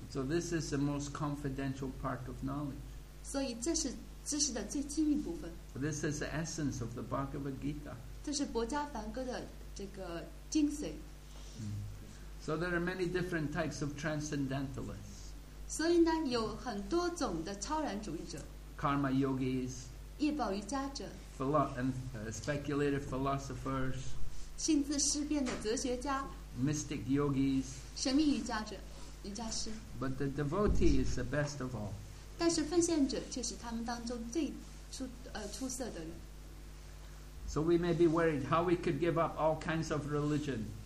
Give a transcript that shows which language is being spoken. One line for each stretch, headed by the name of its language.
English: So this is the most confidential part of knowledge.
Chinese: 所以这是知识的最机密部分。
English: This is the essence of the Bhagavad Gita.
Chinese: 这是博迦梵歌的这个精髓。
English: So there are many different types of transcendentalists.
Chinese: 所以呢，有很多种的超然主义者。
English: Karma yogis.
Chinese: 业报瑜伽者。
English: Speculative philosophers.
Chinese: 心自思辨的哲学家。
English: Mystic yogis.
Chinese: 神秘瑜伽者，瑜伽师。
English: But the devotee is the best of all.
Chinese: 但是奉献者却是他们当中最出色的人。
English: So we may be worried how we could give up all kinds of religion.